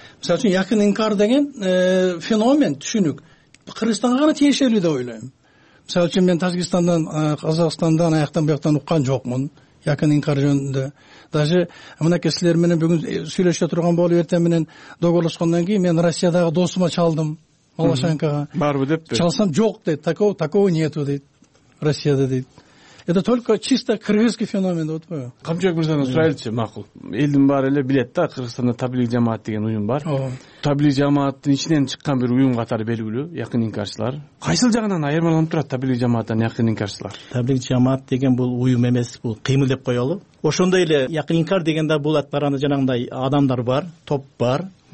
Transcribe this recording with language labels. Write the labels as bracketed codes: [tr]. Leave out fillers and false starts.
[ky] Мисалы үчүн якын инкар деген феномен, түшүнүк Кыргызстанга гана тиешелүү деп ойлойм. Мисалы үчүн мен Тажикстандан, Казакстандан, аяктан бияктан уккан жокмун якын инкар жөнүндө. Даже мынакей силер менен бүгүн сүйлөшө турган болуп, эртең менен долбоорлошкондон кийин мен Россиядагы досума чалдым, Малашенкага. Барбы деп чалсам жок дейт, такого нету дейт Россияда дейт. [ru] Это только чисто кыргызский феномен деп отпойбу? [ky] Камчыбек мырзадан сурайлычы, макул. Элдин баары эле билет да, Кыргызстанда таблиги жамаат деген уюм бар. Таблиги жамааттын ичинен чыккан бир уюм катары белгилүү якын инкарчылар. Кайсыл жагынан айырмаланып турат таблиги жамааттан якын инкарчылар? Таблиги жамаат деген бул уюм эмес, бул кыймыл деп коелу. Ошондой эле якын инкар дегенде бул атпаганда жанагындай адамдар бар, топ бар.